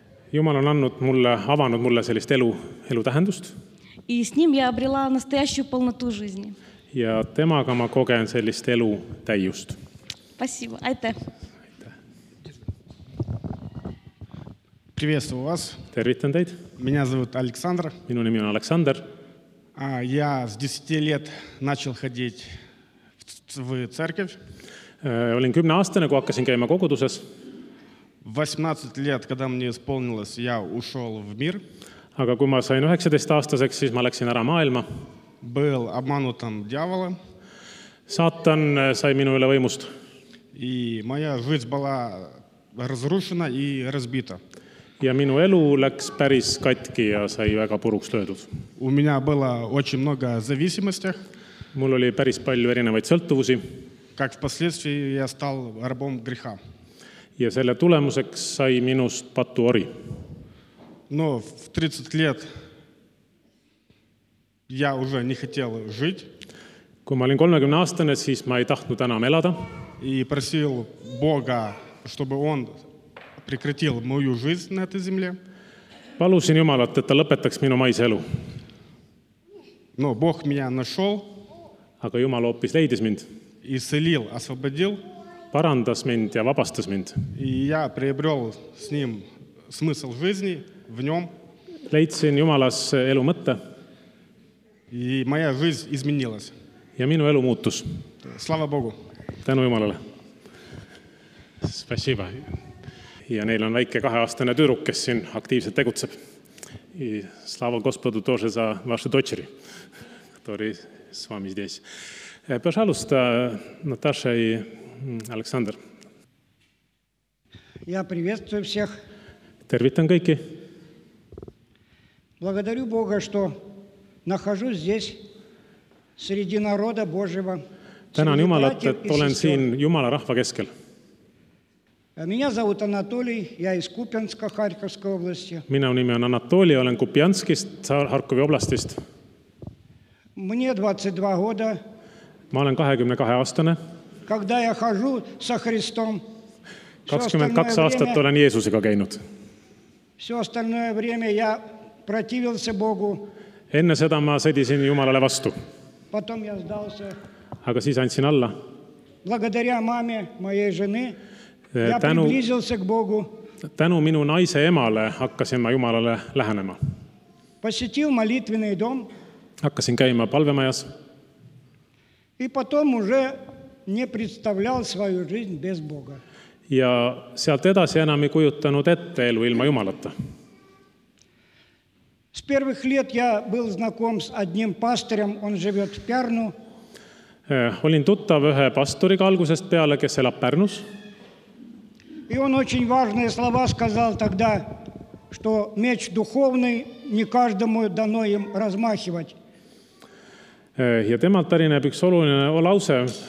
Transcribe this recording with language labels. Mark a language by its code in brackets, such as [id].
[et] Jumal on avanud mulle sellist elu tähendust. [ru] И с ним я обрела настоящую полноту жизни. [et] Ja temaga ma kogen sellist elu täiust. [ru] Спасибо. [et] Aitäh. [ru] Приветствую вас. [et] Tervitan teid. [ru] Меня зовут Александр. [et] Minu nimi on Aleksander. [ru] Я с 10 лет начал ходить в церковь. [et] Olin 10 aastane, kui hakkasin käima koguduses. [ru] 18 лет, когда мне исполнилось, я ушел в мир. [et] Aga kui ma sain 19 aastaseks, siis ma läksin ära maailma. [ru] Был обманутым дьяволом. [et] Сатан sai minu üle võimust. [ru] И моя жизнь была разрушена и разбита. [et] Ja minu elu läks päris katki ja sai väga puruks löödud. [ru] У меня было очень много зависимостей. [et] Mul oli päris palju erinevaid sõltuvusi. [ru] Как впоследствии я стал рабом греха. [et] Ja selle tulemuseks sai minust patu ori. [ru] Но в 30 лет я уже не хотел жить. [et] Kui ma olin 30 aastane, siis ma ei tahtnud enam elada. [ru] И просил Бога, чтобы он прекратил мою жизнь на этой земле. [et] Palusin Jumalat, et ta lõpetaks minu maise elu. [ru] Но Бог меня нашел. [et] Aga Jumal hoopis leidis mind. [ru] Исцелил, освободил. [et] Parandas mind ja vabastas mind. [ru] И я приобрел с ним смысл жизни в нем. [et] Leidsin Jumalas elu mõtte. [ru] И моя жизнь изменилась. [et] Ja minu elu muutus. [ru] Слава Богу. [et] Tänu Jumalale. [ru] Спасибо. [et] Ja neil on väike 2-aastane tüdruk, kes siin aktiivselt tegutseb. [ru] I slava Gospodu tože za vaše dočeri, ktorý s vami zdes. Пожалуйста, Наташа и Александр. Я приветствую всех. [et] Tervitan kõiki. [ru] Благодарю Бога, что нахожусь здесь среди народа Божьего. [et] Tänan Jumalat, et olen siin Jumala rahva keskel. [ru] Меня зовут Анатолий, я из Купянска, Харьковской области. [et] Minu nimi on Анатолий, olen Kupjanskist, Harkovi oblastist. [ru] Мне 22 года. [et] Ma olen 22-aastane. [ru] Когда я хожу со Христом. [et] 22 aastat olen Jeesusiga käinud. [ru] Все остальное время я противился Богу. [et] Enne seda ma sõdisin Jumalale vastu. [ru] Потом я сдался. [et] Aga siis andsin alla. [ru] Благодаря маме моей жены я приблизился к Богу. [et] Tänu minu naise emale hakkasin ma Jumalale lähenema. [ru] Посетил молитвенный дом. [et] Hakkasin käima palvemajas. [ru] И потом уже не представлял свою жизнь без Бога. [et] Ja sealt edasi enam ei kujutanud ette elu ilma Jumalata. [ru] С первых лет я был знаком с одним пастором, он живет в Пярну. [et] Olin tuttav ühe pastoriga algusest peale, kes elab Pärnus. [ru] И он очень важные слова сказал тогда, что меч духовный не каждому дано им размахивать. [et] Ja temalt pärineb üks oluline lause,